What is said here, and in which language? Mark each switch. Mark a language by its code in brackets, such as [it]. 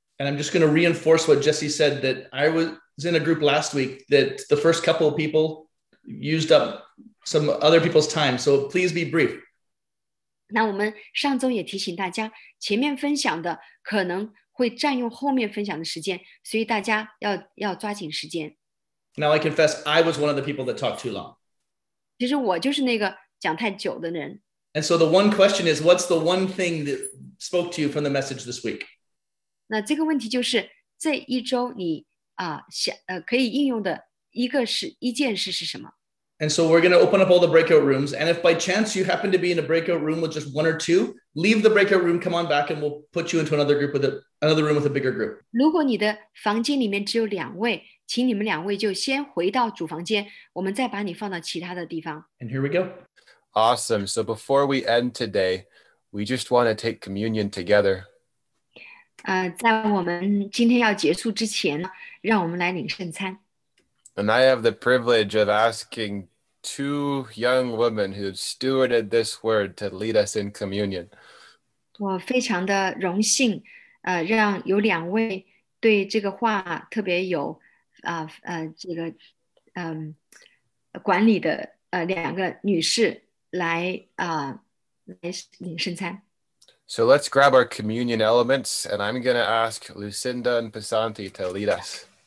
[en] And I'm just going to reinforce what Jesse said, that I was in a group last week that the first couple of people used up some other people's time, so please be brief. [zh] 那我们上周也提醒大家，前面分享的可能会占用后面分享的时间，所以大家要抓紧时间。 [en] Now I confess, I was one of the people that talked too long. [zh] 其实我就是那个讲太久的人。 [en] And so the one question is, what's the one thing that spoke to you from the message this week? [zh] 那这个问题就是这一周你可以应用的一件事是什么？ [en] And so we're going to open up all the breakout rooms. And if by chance you happen to be in a breakout room with just one or two, leave the breakout room, come on back, and we'll put you into another group with another room with a bigger group. [zh] 如果你的房间里面只有两位，请你们两位就先回到主房间，我们再把你放到其他的地方。 [en] And here we go. Awesome. So before we end today, we just want to take communion together. [zh] 在我们今天要结束之前，让我们来领圣餐。 [en] And I have the privilege of asking two young women who have stewarded this word to lead us in communion. [zh] 我非常的荣幸，让有两位对这个话特别有，这个，管理的，两个女士来，来领圣餐。 [en] So let's grab our communion elements, and I'm going to ask Lucinda and Pasanti to lead us.